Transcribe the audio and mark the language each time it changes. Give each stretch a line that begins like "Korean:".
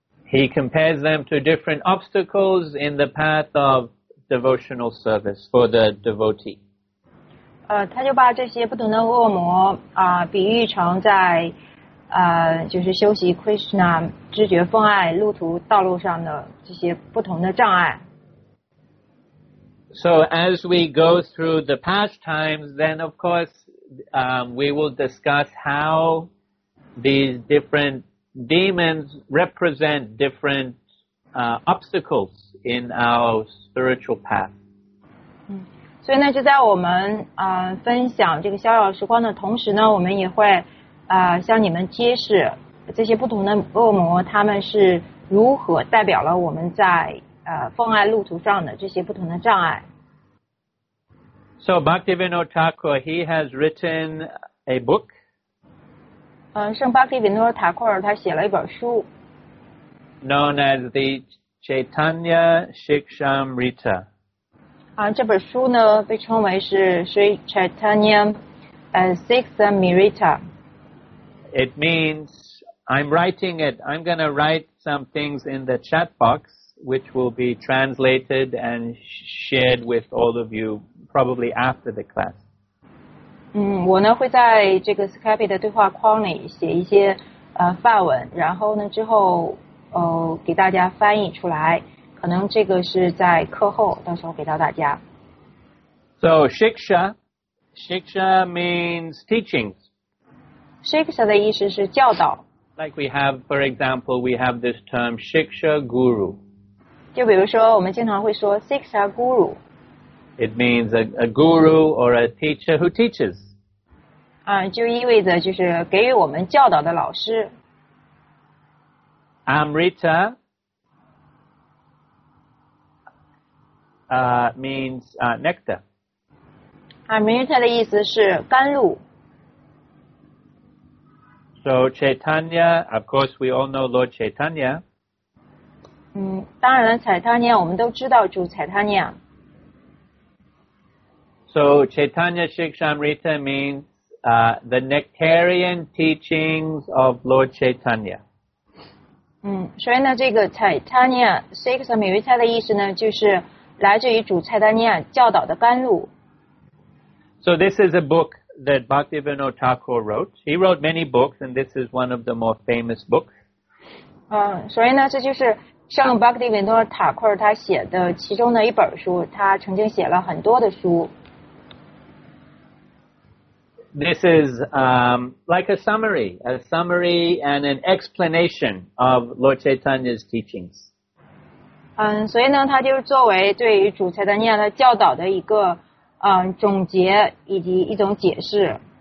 English: He compares them to different obstacles in the path of devotional service for the devotee.
Chinese: 他就把这些不同的恶魔比喻成在就是修习 Krishna 知觉分爱路途道路上的这些不同的障碍。
English: So as we go through the pastimes, then of course, we will discuss how these different demons represent different, obstacles in our spiritual path.
Chinese: 所以呢就在我们分享这个逍遥时光的同时呢我们也会向你们揭示这些不同的恶魔他们是如何代表了我们在奉爱路途上的这些不同的障碍。
English: So Bhaktivinoda Thakur, he has written a book.
Chinese: 圣巴克蒂维诺塔库尔他写了一本书。
English: Known as the Chaitanya Shikshamrita.
Chinese: 这本书呢被称为是 Sri Chaitanya Shikshamrita.
English: It means, I'm writing it, I'm going to write some things in the chat box, which will be translated and shared with all of you. Probably after the class.
Chinese: 我呢会在这个 Skype 的对话框里写一些范文，然后呢之后给大家翻译出来。可能这个是在课后，到时候给到大家。
English: So shiksha means teachings.
Chinese: Shiksha 的意思是教导。
English: Like we have, for example, we have this term shiksha guru.
Chinese: 就比如说，我们经常会说 shiksha guru.
English: It means a guru or a teacher who teaches.
Chinese: 就意味着就是给予我们教导的老师。
English: Amrita means nectar.
Chinese: Amrita 的意思是甘露。
English: So Chaitanya, of course, we all know Lord Chaitanya.
Chinese: 当然了，彩塔尼亚，我们都知道主彩塔尼亚。
English: So Chaitanya Shikshamrita means the nectarian teachings of Lord Chaitanya.
Chinese: 所以呢这个 Chaitanya Shikshamrita 的意思呢就是来自于主 Chaitanya 教导的甘露。
English: So this is a book that Bhaktivinoda Thakur wrote. He wrote many books and this is one of the more famous books.
Chinese: 所以呢这就是圣巴克蒂维诺塔库尔他写的其中的一本书他曾经写了很多的书。
English: This is like a summary and an explanation of Lord Chaitanya's teachings.
Chinese: 所以呢，它就是作为对于主彩达尼亚的教导的一个总结以及一种解释。